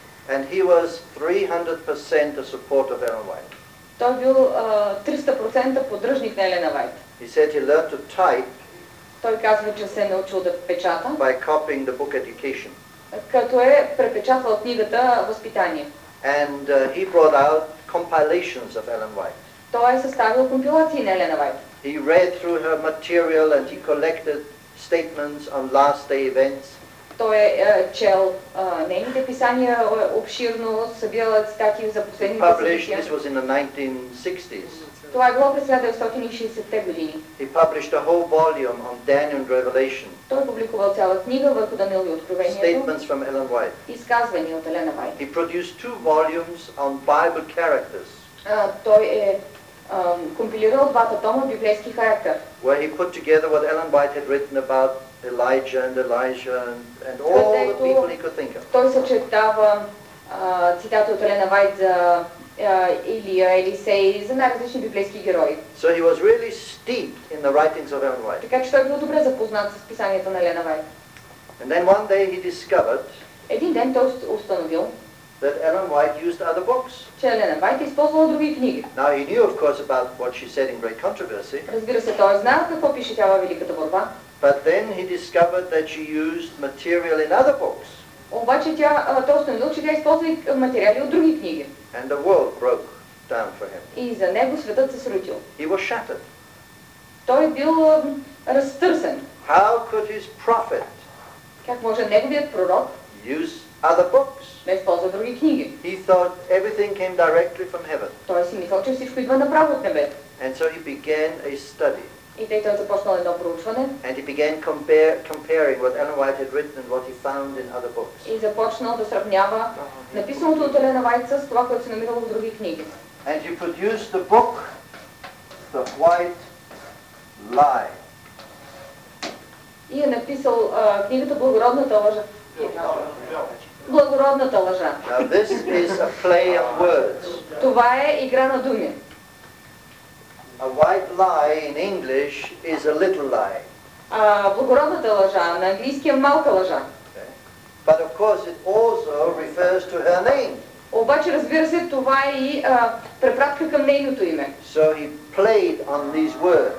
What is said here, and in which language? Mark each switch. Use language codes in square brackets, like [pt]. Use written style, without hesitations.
[en] And he was 300% a supporter of Ellen White. [bg] Той бил 300% поддръжник на Елена Вайт. [en] He said he learned to type. [bg] Той казва, че се е научил да печата. [en] By copying the book Education. [bg] Като е препечатал книгата Възпитание. [en] And he brought out compilations of Ellen White. [bg] Той е съставил компилации на Елена Вайт. [en] He read through her material and he collected statements on last day events. [bg] Той е чел нейните писания обширно, събирал цитати за последните събития. [en] This was in the 1960s. [bg] Това е било през 1960-те години. [en] He published a whole volume on Daniel and Revelation. [bg] Той е публикувал цяла книга върху Даниил и Откровението. [en] Statements from Ellen White. [bg] Изказвания от Елена Вайт. [en] He produced two volumes on Bible characters. [bg] Той е компилирал двата тома библейски характер. [en] Where he put together what Ellen White had written about Elijah and Elijah and all the people he could think of. [bg] Той съчетава цитати от Елена Вайт за Илия, Елисей, за най-различни библейски герои. [en] So he was really steeped in the writings of Ellen White. [bg] Така че той бил добре запознат с писанията на Елена Вайт. [en] And then one day he discovered. [bg] Един ден той установил. [en] That Ellen White used other books. [bg] Че Елена Вайт използвала други книги. [en] Now he knew, of course, about what she said in Great Controversy. [bg] Разбира се, той знае какво пише тя във Великата борба. [en] But then he discovered that she used material in other books. [bg] Обаче тя установил, че тя използва материали от други книги. [en] And the world broke down for him. [bg] И за него светът се срутил. [en] He was shattered. [bg] Той бил разтърсен. [en] How could his prophet? [bg] Как може неговият пророк? [en] Use other books. [bg] Не използва други книги. [en] He thought everything came directly from heaven. [bg] Той си мислил, че всичко идва направо от небето. [en] And so he began a study. [bg] И той започнал едно проучване. [en] And he began comparing what Ellen White had written and what he found in other books. [bg] И започнал да сравнява написаното от Елена Вайт с това, което се намирало в други книги. [en] And he produced the book The White Lie. [bg] И е написал книгата Благородната лъжа. Благородната лъжа. [en] Now this is a play of words. [bg] Това е игра на думи. [en] A white lie in English is a little lie. [bg] Благородната лъжа на английски е малка лъжа. [en] But of course it also refers to her name. [bg] Обаче разбира се, това е и препратка към нейното име. [en] So he played on these words.